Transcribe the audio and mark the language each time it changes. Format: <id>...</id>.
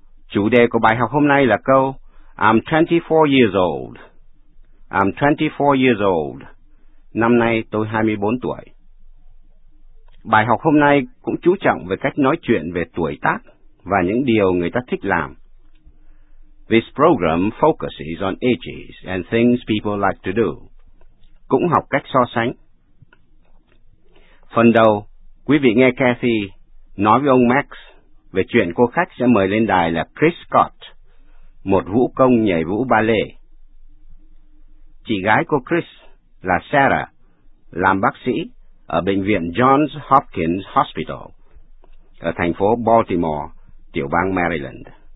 <vi>Chủ đề của bài học hôm nay là câu</vi> <en>I'm 24 years old. I'm 24 years old.</en> <vi>Năm nay tôi 24 tuổi. Bài học hôm nay cũng chú trọng về cách nói chuyện về tuổi tác và những điều người ta thích làm.</vi> <en>This program focuses on ages and things people like to do.</en> <vi>Cũng học cách so sánh. Phần đầu, quý vị nghe Kathy nói với ông Max về chuyện cô khách sẽ mời lên đài là Chris Scott, một vũ công nhảy vũ ba lê. Chị gái của Chris là Sarah, làm bác sĩ ở bệnh viện Johns Hopkins Hospital ở thành phố Baltimore, tiểu bang Maryland.</vi>